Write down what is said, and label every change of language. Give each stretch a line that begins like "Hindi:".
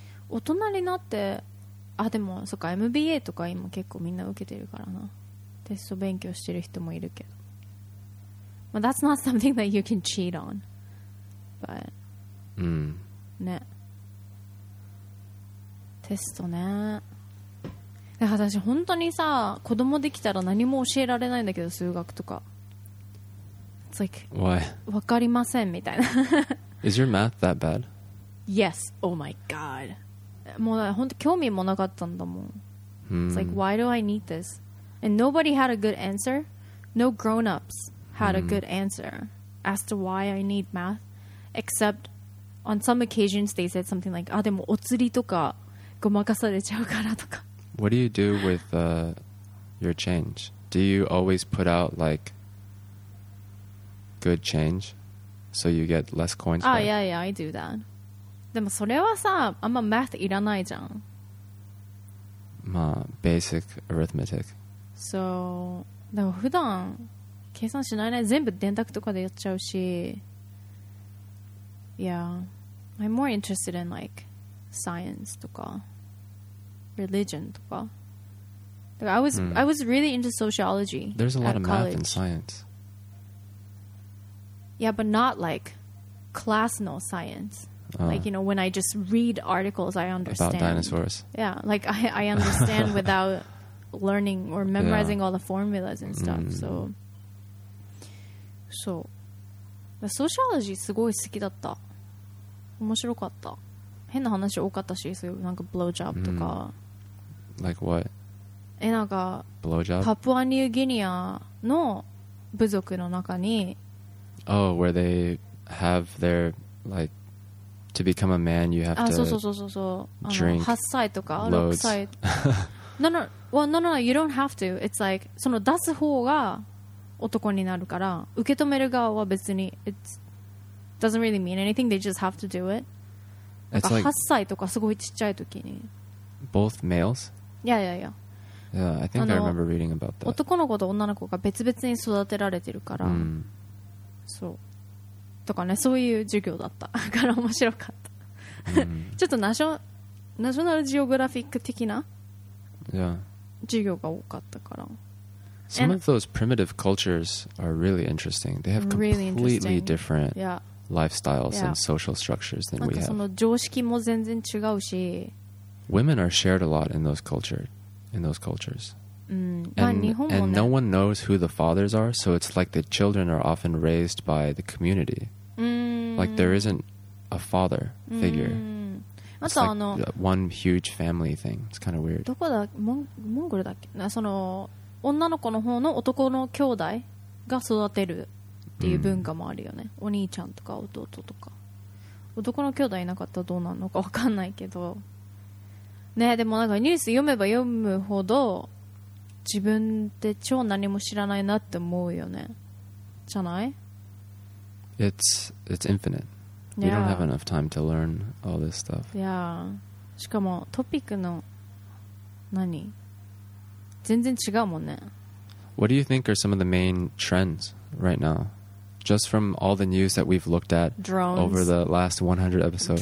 Japanese: 大人になって、あ、でもそっか MBA とか今結構みんな受けてるからな。テスト勉強してる人もいるけど。
English: But that's not something that you can cheat on. But. Mm.
Japanese: ね。テストね。だから私本当にさ、子供できたら何も教えられないんだけど、数学とか。
English: It's like, why?
Japanese: わかりませんみたいな。
English: Is your math that bad? Yes. Oh my god.
Japanese: もう本当興味もなかったんだもん。
English: It's like, why do I need this? And nobody had a good answer. No grown-ups had a good answer as to why I need math. Except on some occasions, they said something like,
Japanese: あ、でもお釣りとかごまかされちゃうからとか。
English: What do you do with your change? Do you always put out like good change so you get less coins back? Yeah, yeah, I do that.
Japanese: でもそれはさ、あんま math いらないじゃん。
English: まあ、basic arithmetic.
Japanese: So, だから普段計算しないね。全部電卓とかでやっちゃうし。
English: Yeah, I'm more interested in like science とか。Religion とか。 Like, I was really into sociology. There's a lot of college. Math and science. Yeah, but not like class no science. Like, you know, when I just read articles, I understand. About dinosaurs. Yeah, like I understand without learning or memorizing all the formulas and stuff.
Japanese: Mm. So. The sociology すごい好きだった。面白かった。変な話多かったし、そういうなんか blowjob とか。
English: Like what?
Japanese: え、なんか、
English: blowjob?
Japanese: パプアニューギニアの部族の中に。
English: Oh, where they have their, like, to become a man, you have to drink loads.
Japanese: そうそうそ
English: う。
Japanese: 8歳とか、6歳。
English: No, you don't have to. It's like,
Japanese: その出す方が男になるから、受け止める側は別に、
English: it doesn't really mean anything. They just have to do it. It's like,
Japanese: 8歳とかすごいちっちゃい時に。
English: Both males? Yeah. I think I remember reading about that.
Japanese: 男の子と女の子が別々に育てられてるから、 mm. そうとかね、そういう授業だったから面白かった。 mm. ちょっとナショナルジオグラフィック的な授業が多かったから。
English: Yeah. Some of those primitive cultures are really interesting. They have completely different lifestyles and social structures than we have.
Japanese: その常識も全然違うし。
English: Women are shared a lot in those cultures. And no one knows who the fathers are, so it's like the children are often raised by the community. Like there isn't a father figure. It's like one huge family thing. It's kind of weird.
Japanese: どこだ？モンゴルだっけ？その女の子の方の男の兄弟が育てるっていう文化もあるよね。お兄ちゃんとか弟とか。男の兄弟いなかったらどうなるのかわかんないけど。ね、でもなんかニュース読めば読むほど自分って超何も知らないなって思うよね。じゃない？
English: It's infinite. You don't have enough time to learn all this stuff.
Japanese: Yeah. しかもトピックの何？全然違うもんね。
English: What do you think are some of the main trends right now? Just from all the news that we've looked at over the last 100 episodes.